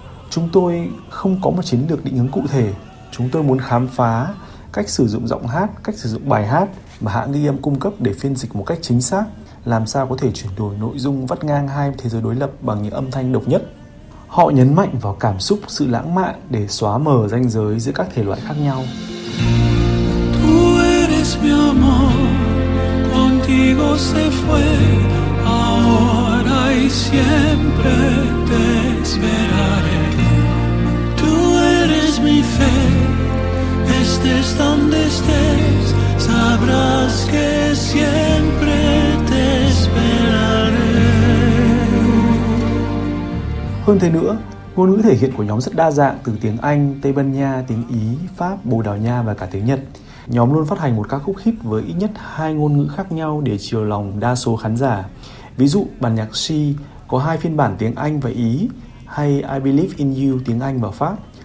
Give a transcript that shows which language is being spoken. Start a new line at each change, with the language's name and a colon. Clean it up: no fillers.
Vietnamese: Chúng tôi không có một chiến lược định hướng cụ thể. Chúng tôi muốn khám phá cách sử dụng giọng hát, cách sử dụng bài hát mà hãng ghi âm cung cấp để phiên dịch một cách chính xác, làm sao có thể chuyển đổi nội dung vắt ngang hai thế giới đối lập bằng những âm thanh độc nhất. Họ nhấn mạnh vào cảm xúc, sự lãng mạn để xóa mờ ranh giới giữa các thể loại khác nhau.
Spanish: Tú eres mi amor, contigo se fue, ahora y siempre te esperaré. Tú eres mi fe, estés donde estés, sabrás que siempre te esperaré.
Vietnamese: Hơn thế nữa, ngôn ngữ thể hiện của nhóm rất đa dạng từ tiếng Anh, Tây Ban Nha, tiếng Ý, Pháp, Bồ Đào Nha và cả tiếng Nhật. Nhóm luôn phát hành một ca khúc hit với ít nhất 2 ngôn ngữ khác nhau để chiều lòng đa số khán giả. Ví dụ, bản nhạc She có 2 phiên bản tiếng Anh và Ý, hay I Believe in You tiếng Anh và Pháp.